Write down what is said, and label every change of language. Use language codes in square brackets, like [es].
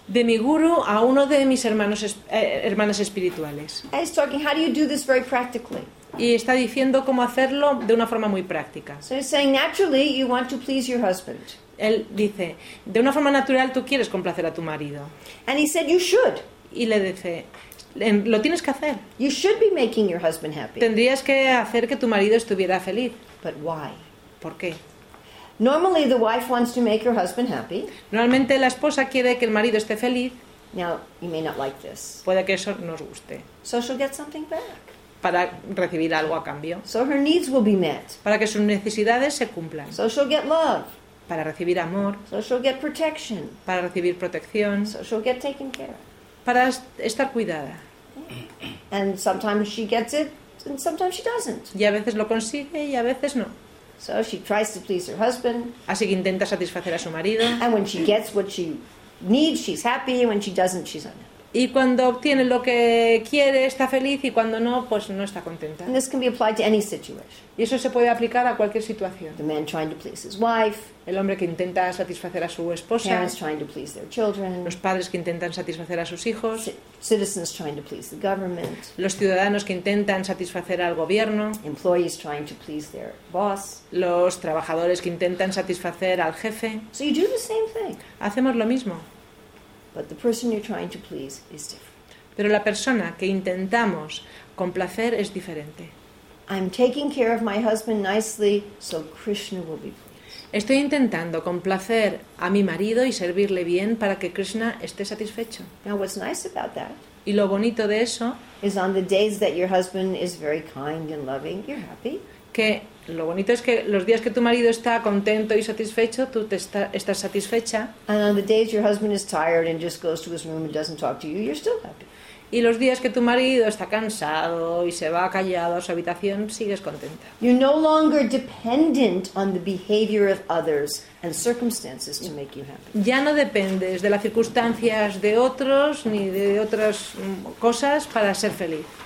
[es] De mi guru a uno de mis hermanas espirituales. [en] He's talking, how do you do this very practically? [es] Y está diciendo cómo hacerlo de una forma muy práctica. [en] So he's saying, naturally, you want to please your husband. [es] Él dice, de una forma natural tú quieres complacer a tu marido. [en] And he said, you should. [es] Y le dice, lo tienes que hacer. [en] You should be making your husband happy. [es] Tendrías que hacer que tu marido estuviera feliz. [en] But why? [es] ¿Por qué? [en] Normally, the wife wants to make her husband happy. [es] Normalmente, la esposa quiere que el marido esté feliz. [en] Now, you may not like this. [es] Puede que eso no os guste. [en] So she'll get something back. [es] Para recibir algo a cambio. [en] So her needs will be met. [es] Para que sus necesidades se cumplan. [en] So she'll get love. [es] Para recibir amor. [en] So she'll get protection. [es] Para recibir protección. [en] So she'll get taken care of. [es] Para estar cuidada. [en] And sometimes she gets it, and sometimes she doesn't. [es] Y a veces lo consigue y a veces no. [en] So she tries to please her husband. [es] Así que intenta satisfacer a su marido. [en] And when she gets what she needs, she's happy. When she doesn't, she's unhappy. [es] Y cuando obtiene lo que quiere, está feliz. Y cuando no, pues no está contenta. [en] And this can be applied to any situation. [es] Y eso se puede aplicar a cualquier situación. [en] The man trying to please his wife. [es] El hombre que intenta satisfacer a su esposa. [en] Parents trying to please their children. [es] Los padres que intentan satisfacer a sus hijos. [en] Citizens trying to please the government. [es] Los ciudadanos que intentan satisfacer al gobierno. [en] Employees trying to please their boss. [es] Los trabajadores que intentan satisfacer al jefe. [en] So you do the same thing. [es] Hacemos lo mismo. [en] But the person you're trying to please is different. [es] Pero la persona que intentamos complacer es diferente. [en] I'm taking care of my husband nicely so Krishna will be pleased. [es] Estoy intentando complacer a mi marido y servirle bien para que Krishna esté satisfecho. [en] Now what's nice about that? [es] Y lo bonito de eso [en] is on the days that your husband is very kind and loving, you're happy. [es] Que lo bonito es que los días que tu marido está contento y satisfecho, tú estás satisfecha. [en] And on the days your husband is tired and just goes to his room and doesn't talk to you, you're still happy. [es] Y los días que tu marido está cansado y se va callado a su habitación, sigues contenta. [en] You're no longer dependent on the behavior of others and circumstances to make you happy. [es] Ya no dependes de las circunstancias de otros ni de otras cosas para ser feliz.